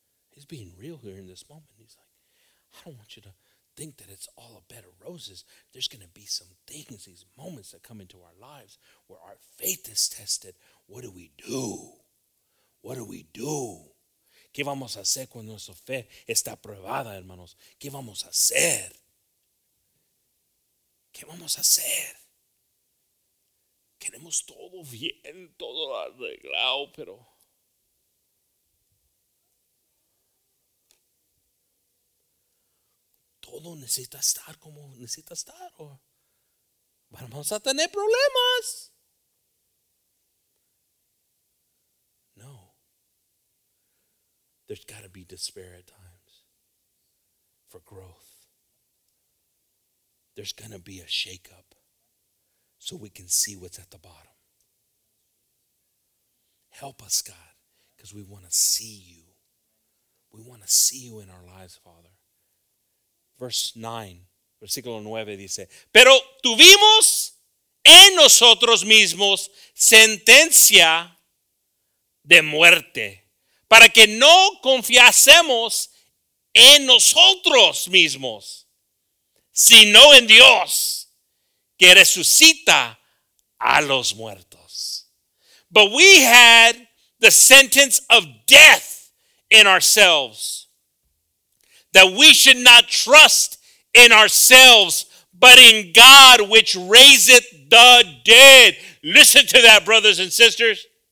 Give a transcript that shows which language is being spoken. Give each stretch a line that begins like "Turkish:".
English: He's being real here in this moment. He's like, I don't want you to think that it's all a bed of roses. There's going to be some things, these moments that come into our lives where our faith is tested. What do we do? What do we do?
Spanish: ¿Qué vamos a hacer cuando nuestra fe está probada, hermanos? ¿Qué vamos a hacer? ¿Qué vamos a hacer? Queremos todo bien, todo arreglado, pero... todo necesita estar como necesita estar. O vamos a tener problemas.
English: No. There's got to be despair at times for growth. There's going to be a shakeup so we can see what's at the bottom. Help us, God, because we want to see you. We want to see you in our lives, Father. Verse 9,
Spanish: versículo 9 dice, pero tuvimos en nosotros mismos sentencia de muerte para que no confiásemos en nosotros mismos, sino en Dios que resucita a los muertos.
English: But we had the sentence of death in ourselves, that we should not trust in ourselves, but in God which raiseth the dead. Listen to that, brothers and sisters.